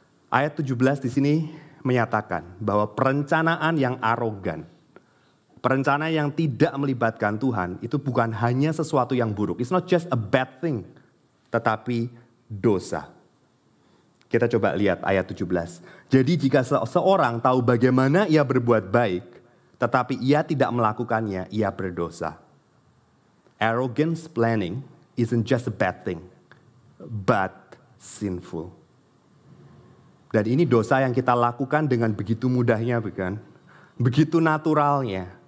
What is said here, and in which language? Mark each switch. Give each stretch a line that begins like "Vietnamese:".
Indonesian: Ayat 17 di sini menyatakan bahwa perencanaan yang arogan, perencanaan yang tidak melibatkan Tuhan, itu bukan hanya sesuatu yang buruk.
English: It's not just a bad thing,
Indonesian: tetapi dosa. Kita coba lihat ayat 17. Jadi jika seseorang tahu bagaimana ia berbuat baik, tetapi ia tidak melakukannya, ia berdosa.
English: Arrogance planning isn't just a bad thing, but sinful.
Indonesian: Dan ini dosa yang kita lakukan dengan begitu mudahnya, bukan? Begitu naturalnya.